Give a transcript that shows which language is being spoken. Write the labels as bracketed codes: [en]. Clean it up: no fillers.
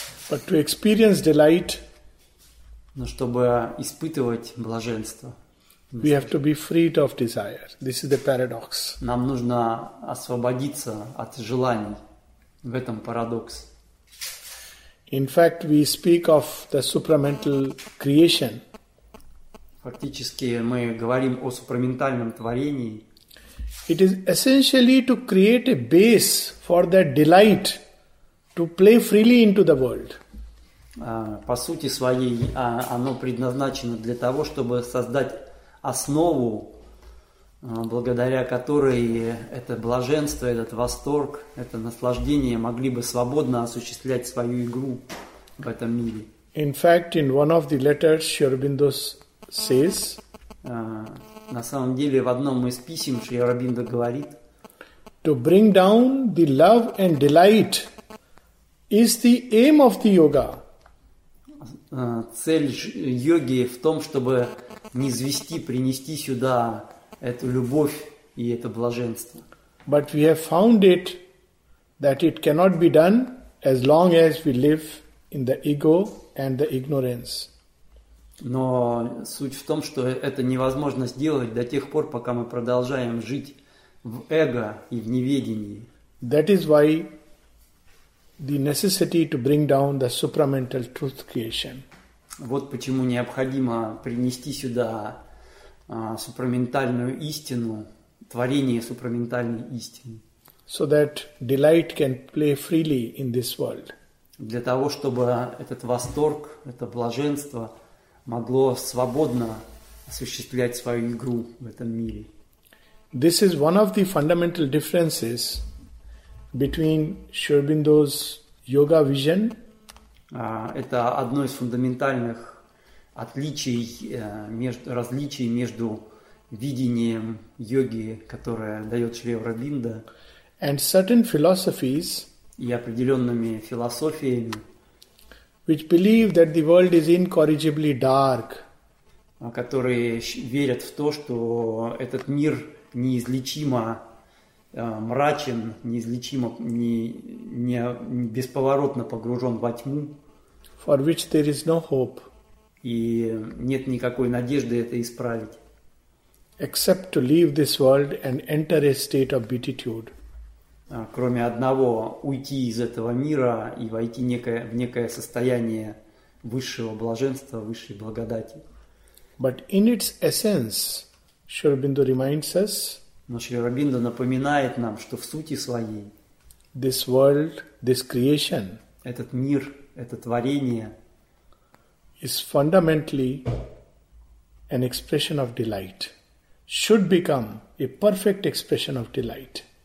[en] But to experience delight, [ru] но чтобы испытывать блаженство, [en] we have to be freed of desire. This is the paradox. [ru] Нам нужно освободиться от желаний. В этом парадокс. [en] In fact, we speak of the supramental creation. [ru] Фактически мы говорим о супраментальном творении. [en] It is essentially to create a base for that delight to play freely into the world. [ru] По сути своей, оно предназначено для того, чтобы создать основу, благодаря которой это блаженство, этот восторг, это наслаждение могли бы свободно осуществлять свою игру в этом мире. [en] In fact, in one of the letters, Sri Aurobindo says, [ru] на самом деле, в одном из писем Шри Аурабиндо говорит, [en] to bring down the love and delight is the aim of the yoga. [ru] Цель йоги в том, чтобы низвести, принести сюда эту любовь и это блаженство. [en] But we have found it that it cannot be done as long as we live in the ego and the ignorance. [ru] Но суть в том, что это невозможно сделать до тех пор, пока мы продолжаем жить в эго и в неведении. [en] That is why the necessity to bring down the supramental truth creation. [ru] Вот почему необходимо принести сюда супраментальную истину, творение супраментальной истины. [en] So that delight can play freely in this world. [ru] Для того, чтобы этот восторг, это блаженство могло свободно осуществлять свою игру в этом мире. [en] This is one of the fundamental differences between Sri Aurobindo's yoga vision. [ru] Это одно из фундаментальных отличий, различий между видением йоги, которое дает Шри Аурабиндо, [en] and certain philosophies, [ru] и определенными философиями, [en] which believe that the world is incorrigibly dark, [ru] которые верят в то, что этот мир неизлечимо мрачен, неизлечимо, не бесповоротно погружен во тьму, [en] for which there is no hope. [ru] И нет никакой надежды это исправить. [en] Except to leave this world and enter a state of beatitude. [ru] Кроме одного, уйти из этого мира и войти в некое состояние высшего блаженства, высшей благодати. [en] But in its essence, Sri Aurobindo reminds us, [ru] но Шри Аурабиндо напоминает нам, что в сути своей [en] this world, this creation, [ru] этот мир, это творение, [en] is fundamentally an expression of delight, should become a perfect expression of delight.